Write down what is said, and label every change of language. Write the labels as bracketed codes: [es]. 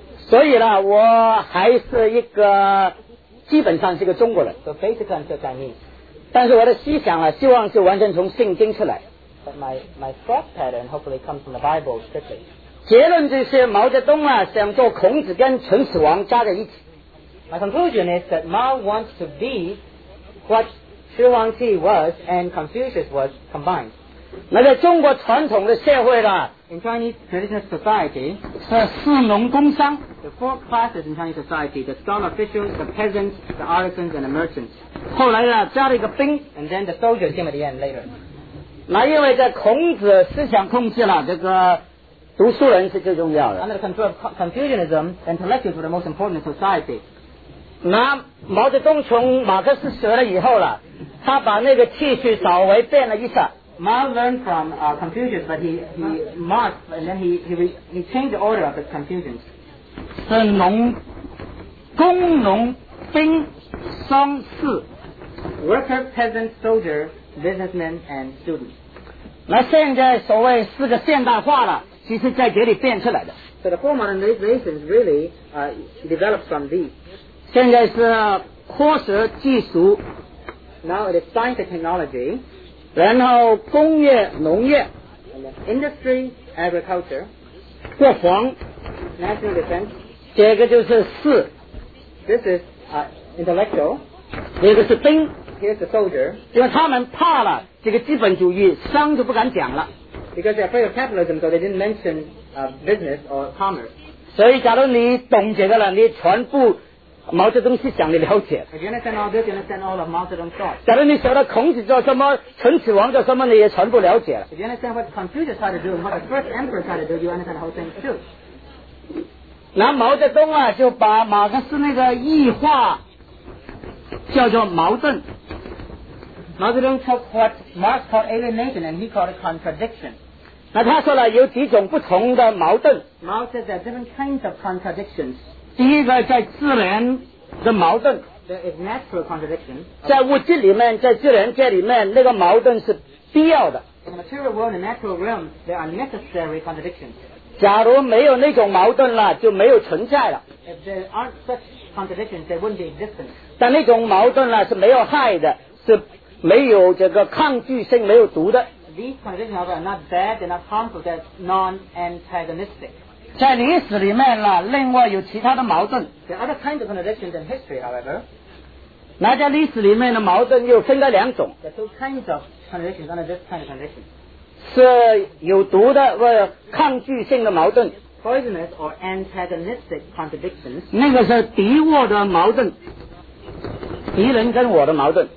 [zh] 所以呢，我还是一个基本上是一个中国人。 [en] So basically, I'm a Chinese. [zh] 但是我的思想啊，希望是完全从圣经出来。 [en] But my thought pattern hopefully comes from the Bible strictly. [zh] 结论就是毛泽东啊，想做孔子跟秦始皇加在一起。 [en] My conclusion is that Mao wants to be what Shi Huang Ti was and Confucius was combined. [zh] 那在中国传统的社会呢 [en] In Chinese traditional society, [zh] 是士农工商 [en] The four classes in Chinese society, the scholar officials, the peasants, the artisans, and the merchants. [zh] 后来呢加了一个兵 [en] And then the soldiers came at the end later. [zh] 那因为在孔子思想控制了这个读书人是最重要的 [en] Under the control of Confucianism, intellectuals were the most important in society. [zh] 那毛泽东从马克思学了以后了他把那个秩序稍微变了一下 [en] Mao learned from Confucius but he marked and then he changed the order of the Confucians [zh] 是农工农兵商士 [en] worker, peasant, soldier, businessman and student [zh] 那现在所谓四个现代化了其实在这里变出来的 [en] so the four modernizations really developed from these [zh] 现在是科学技术 [en] Now it is science and technology [zh] 然后工业农业 [en] Industry, agriculture [zh] 国防 [en] National defense [zh] 这个就是士 [en] This is intellectual [zh] 这个是兵 [en] Here's the soldier [zh] 因为他们怕了这个资本主义商就不敢讲了 [en] Because they're afraid of capitalism so they didn't mention business or commerce [zh] 所以假如你懂这个了你全部毛泽东思想的了解 [en] If you understand all this, you understand all of Mao Zedong's thoughts [zh] 假如你晓得孔子做什么陈子王做什么你也全部了解了 [en] If you understand what Confucius tried to do and what the first emperor tried to do you understand the whole thing too [zh] 那毛泽东啊就把马克思那个异化叫做矛盾 [en] Mao Zedong took what Marx called alienation and he called it contradiction [zh] 那他说了有几种不同的矛盾 [en] Mao says there are different kinds of contradictions [zh] 第一个在自然的矛盾 [en] There is natural contradiction [zh] 在物质里面在自然界里面那个矛盾是必要的 [en] In the material world and natural realm there are necessary contradictions [zh] 假如没有那种矛盾了就没有存在了 [en] If there aren't such contradictions there wouldn't be existence [zh] 但那种矛盾呢是没有害的是没有这个抗拒性没有毒的 [en] These contradictions are not bad they're not harmful they're non-antagonistic [zh] 在历史里面了另外有其他的矛盾 [en] There are other kinds of contradictions in history, however [zh] 那在历史里面的矛盾又分了两种 [en] There are two kinds of contradictions under this kind of condition [zh] 是有毒的或抗拒性的矛盾 [en] Poisonous or antagonistic contradictions [zh] 那个是敌我的矛盾敌人跟我的矛盾